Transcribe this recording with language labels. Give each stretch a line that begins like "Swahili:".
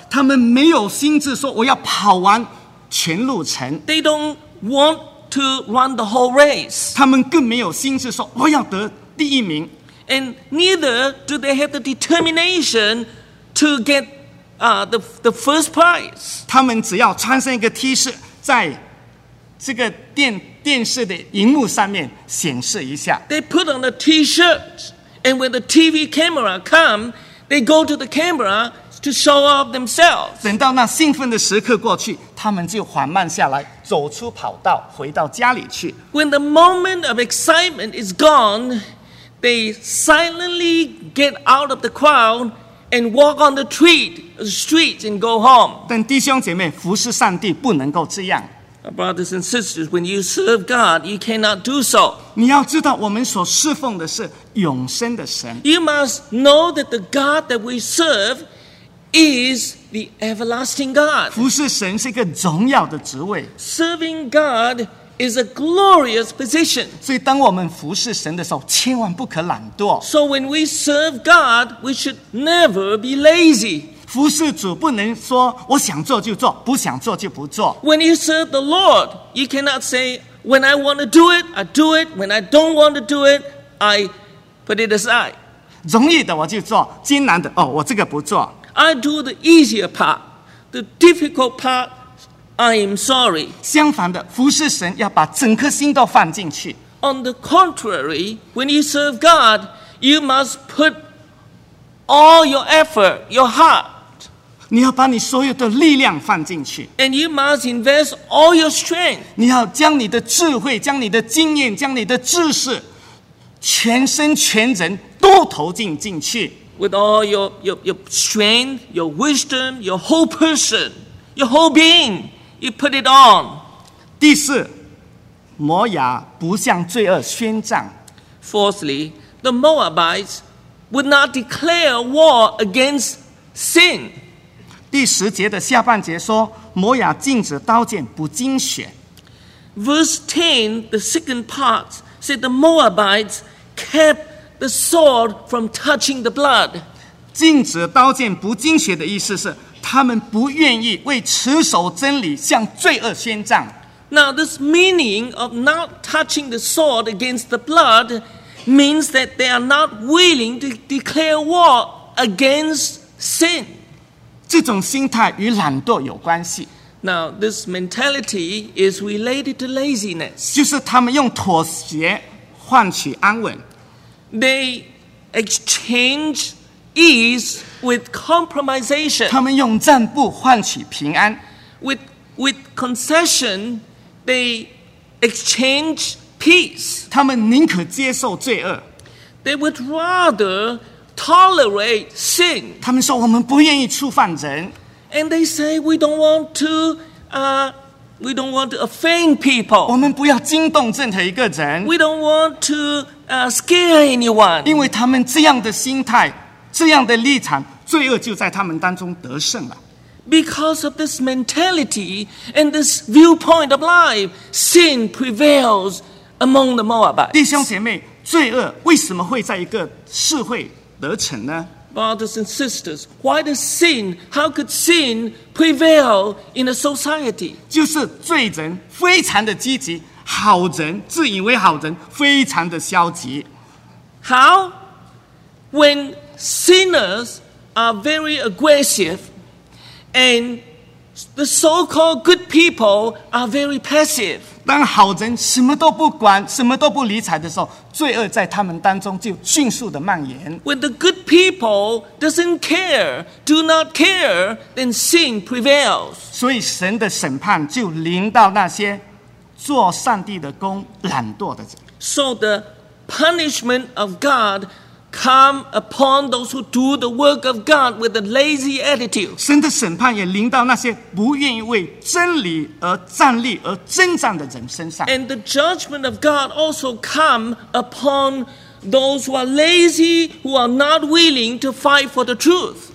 Chinese: 他们没有心智说我要跑完全路程。
English: They don't want to run the whole race.
Chinese: 他们更没有心智说我要得第一名。
English: And neither do they have the determination to get the first prize.
Chinese: 他们只要穿上一个 T 恤，在这个电视的荧幕上面显示一下。
English: They put on the T-shirt, and when the TV camera come, they go to the camera to show off themselves.
Chinese: 等到那兴奋的时刻过去，他们就缓慢下来，走出跑道，回到家里去。
English: When the moment of excitement is gone, they silently get out of the crowd and walk on the street and go home.
Chinese: 但弟兄姐妹，服侍上帝不能够这样。
English: Brothers and sisters, when you serve God, you cannot do so.
Chinese: 你要知道，我们所侍奉的是永生的神。
English: You must know that the God that we serve is the everlasting God.
Chinese: 服侍神是一个荣耀的职位。
English: Serving God is a glorious position.
Chinese: 所以，当我们服侍神的时候，千万不可懒惰。
English: So when we serve God, we should never be lazy.
Chinese: 服侍主不能说我想做就做，不想做就不做。
English: When you serve the Lord, you cannot say when I want to do it, I do it. When I don't want to do it, I put it aside.
Chinese: 容易的我就做，艰难的哦，我这个不做。
English: I do the easier part, the difficult part. I am sorry.
Chinese: 相反的，服侍神要把整颗心都放进去。
English: On the contrary, when you serve God, you must put all your effort, your heart.
Chinese: 你要把你所有的力量放进去。
English: And you must invest all your strength.
Chinese: 你要将你的智慧、将你的经验、将你的知识，全身全人都投进去。
English: With all your strength, your wisdom, your whole person, your whole being. You put it on.
Chinese: 第四，摩押不向罪恶宣战。
English: Fourthly, the Moabites would not declare war against sin.
Chinese: 第十节的下半节说，摩押禁止刀剑不精选。
English: Verse 10, the second part, said the Moabites kept the sword from touching the blood.
Chinese: 禁止刀剑不精选的意思是他们不愿意为持守真理向罪恶宣战。
English: Now this meaning of not touching the sword against the blood means that they are not willing to declare war against sin.
Chinese: 这种心态与懒惰有关系。
English: Now this mentality is related to laziness.
Chinese: 就是他们用妥协换取安稳。
English: They exchange ease with compromisation.
Chinese: 他们用让步换取平安。
English: With concession, they exchange peace.
Chinese: 他们宁可接受罪恶。
English: They would rather tolerate sin.
Chinese: 他们说我们不愿意触犯人。
English: And they say we don't want to offend people.
Chinese: 我们不要惊动任何一个人。
English: We don't want to scare anyone.
Chinese: 因为他们这样的心态，这样的立场，罪恶就在他们当中得胜了。
English: Because of this mentality and this viewpoint of life, sin prevails among the Moabites.
Chinese: 弟兄姐妹，罪恶为什么会在一个社会得逞呢？
English: Brothers and sisters, why does sin, how could sin prevail in a society?
Chinese: 就是罪人非常的积极，好人自以为好人非常的消极。
English: How? When sinners are very aggressive,And the so-called good people are very passive.
Chinese: 当好人什么都不管，什么都不理睬的时候，罪恶在他们当中就迅速的蔓延。
English: When the good people doesn't care, do not care, then sin prevails.
Chinese: 所以神的审判就临到那些做上帝的工、懒惰的人。
English: So the punishment of God. Come upon those who do the work of God with a lazy attitude.
Chinese: 神的审判也临到那些不愿意为真理而站立而征战的人身上。
English: And the judgment of God also come upon those who are lazy, who are not willing to fight for the truth.